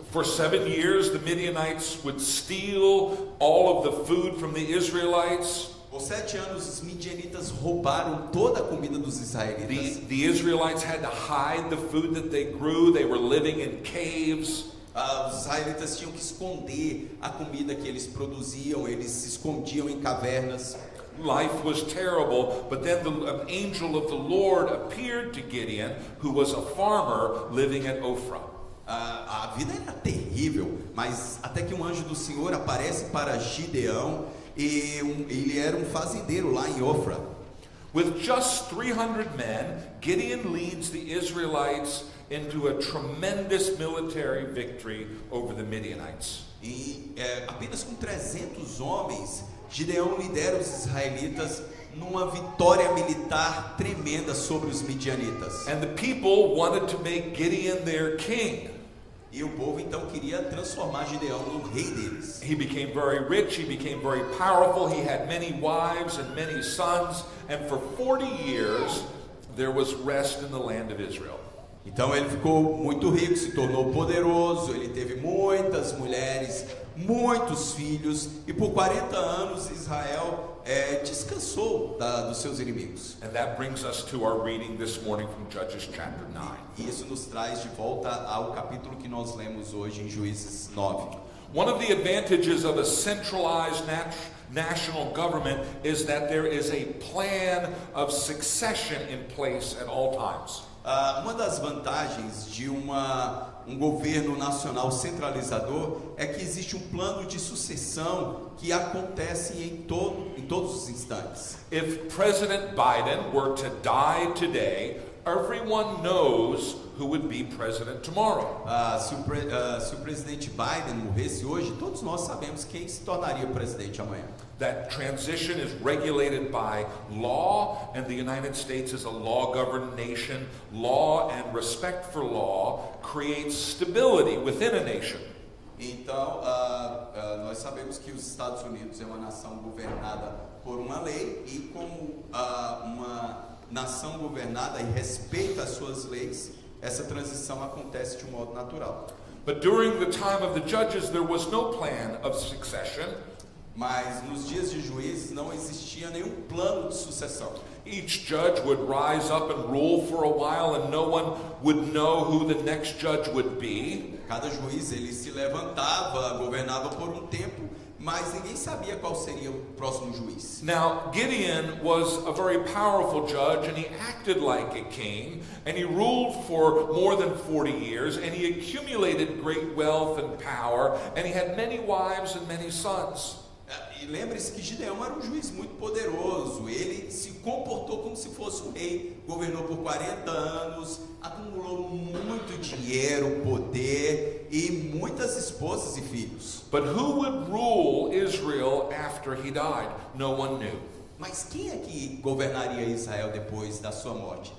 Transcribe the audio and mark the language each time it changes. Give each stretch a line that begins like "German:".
English: For 7 years, the Midianites would steal all of the food from the Israelites.
Portuguese: Por 7 anos, os midianitas roubaram toda a comida dos israelitas.
English: The Israelites had to hide the food that they grew. They were living in caves.
Portuguese: Os israelitas tinham que esconder a comida que eles produziam, eles se escondiam em cavernas.
English: Life was terrible, but then an angel of the Lord appeared to Gideon, who was a farmer living at Ophrah.
Portuguese: A vida era terrível, mas até que um anjo do Senhor aparece para Gideão, e ele era um fazendeiro lá em Ophrah.
English: With just 300 men, Gideon leads the Israelites into a tremendous military victory over the Midianites.
Portuguese: E apenas com 300 homens, Gideão lidera os israelitas numa vitória militar tremenda sobre os midianitas.
English: And the people wanted to make Gideon their king.
Portuguese: E o povo então queria transformar Gideão no rei deles.
English: He became very rich, he became very powerful, he had many wives and many sons, and for 40 years there was rest in the land of Israel.
Portuguese: Então ele ficou muito rico, se tornou poderoso, ele teve muitas mulheres, muitos filhos, e por 40 anos Israel descansou dos seus inimigos.
English: And that brings us to our reading this morning from Judges chapter 9.
Portuguese: E isso nos traz de volta ao capítulo que nós lemos hoje em Juízes 9.
English: One of the advantages of a centralized national government is that there is a plan of succession in place at all times.
Portuguese: Uma das vantagens de um governo nacional centralizador é que existe um plano de sucessão que acontece em todos os instantes.
English: If President Biden were to die today, everyone knows who would be president tomorrow.
Portuguese: Se o presidente Biden morresse hoje, todos nós sabemos quem se tornaria presidente amanhã.
English: That transition is regulated by law, and the United States is a law-governed nation. Law and respect for law creates stability within a nation.
Portuguese: Então, nós sabemos que os Estados Unidos é uma nação governada por uma lei, e como uma nação governada e respeita as suas leis, essa transição acontece de um modo natural.
English: But during the time of the judges, there was no plan of succession.
Portuguese: Mas nos dias de juízes não existia nenhum plano de sucessão.
English: Each judge would rise up and rule for a while, and no one would know who the next judge would be.
Portuguese: Cada juiz ele se levantava, governava por um tempo, Mas ninguém sabia qual seria o próximo juiz.
English: Now, Gideon was a very powerful judge, and he acted like a king, and he ruled for more than 40 years, and he accumulated great wealth and power, and he had many wives and many sons.
Portuguese: E lembre-se que Gideão era um juiz muito poderoso. Ele se comportou como se fosse um rei, governou por 40 anos, acumulou muito dinheiro, poder e muitas esposas e filhos.
English: But who would rule Israel after he died? No one knew.
Portuguese: Mas quem é que governaria Israel depois da sua morte?